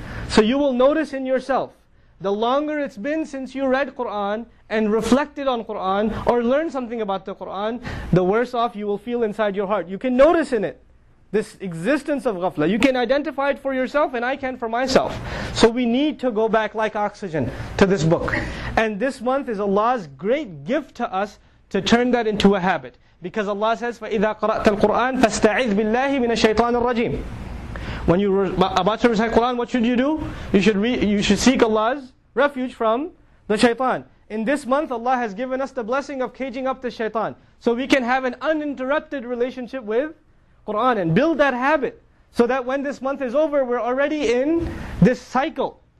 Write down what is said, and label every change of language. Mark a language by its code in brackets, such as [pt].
[en] So you will notice in yourself, the longer it's been since you read Qur'an and reflected on Qur'an or learned something about the Qur'an, the worse off you will feel inside your heart. You can notice in it this existence of ghafla. You can identify it for yourself and I can for myself. So we need to go back like oxygen to this book. And this month is Allah's great gift to us to turn that into a habit. Because Allah says, [ar] فَإِذَا قَرَأْتَ الْقُرْآنَ فَاسْتَعِذْ بِاللَّهِ مِنَ الشَّيْطَانِ الرَّجِيمِ. [en] When you're about to recite Qur'an, what should you do? You should seek Allah's refuge from the shaitan. In this month, Allah has given us the blessing of caging up the shaitan. So we can have an uninterrupted relationship with Qur'an and build that habit. So that when this month is over, we're already in this cycle.